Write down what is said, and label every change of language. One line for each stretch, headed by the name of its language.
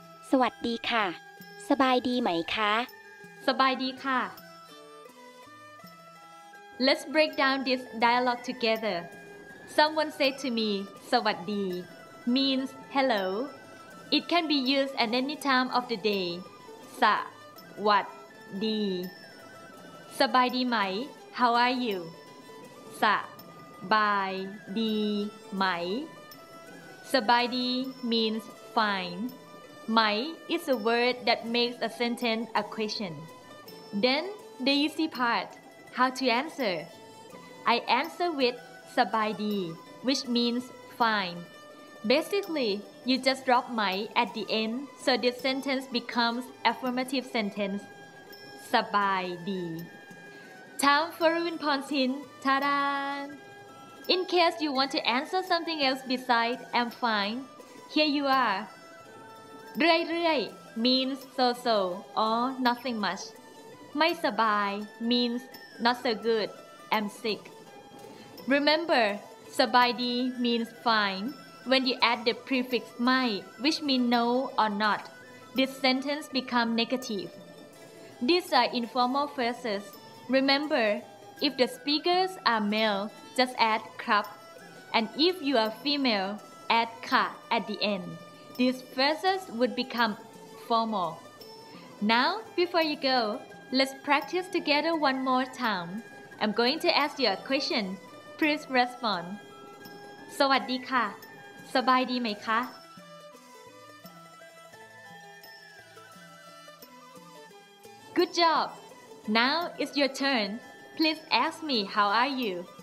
Thai: สวัสดีค่ะ สบายดีไหมคะ สบายดีค่ะ
English: Let's break down this dialogue together. Someone said to me, สวัสดี means hello. It can be used at any time of the day.
Thai: สวัสดี สบายดีไหม
English: How are you?
Thai: สบายดีไหม สบายดี means fine.
English: ไหม is a word that makes a sentence a question. Then the easy part, how to answer. I answer with สบายดี which means fine. Basically, you just drop ไหม at the end so this sentence becomes affirmative sentence.
Thai: สบายดี
English: Time for Ruin Pons hint. Ta-da! In case you want to answer something else besides I'm fine, here you are.
Thai: เรื่อยเรื่อย
English: means so-so or nothing much.
Thai: ไม่สบาย
English: means not so good, I'm sick. Remember, สบายดี means fine. When you add the prefix ไม่ which means no or not, this sentence becomes negative. These are informal phrases. Remember, if the speakers are male, just add ครับ and if you are female, add ค่ะ at the end. These phrases would become formal. Now, before you go, let's practice together one more time. I'm going to ask you a question. Please respond.
Thai: สวัสดีค่ะ สบายดีไหมคะ
English: Good job! Now it's your turn. Please ask me how are you?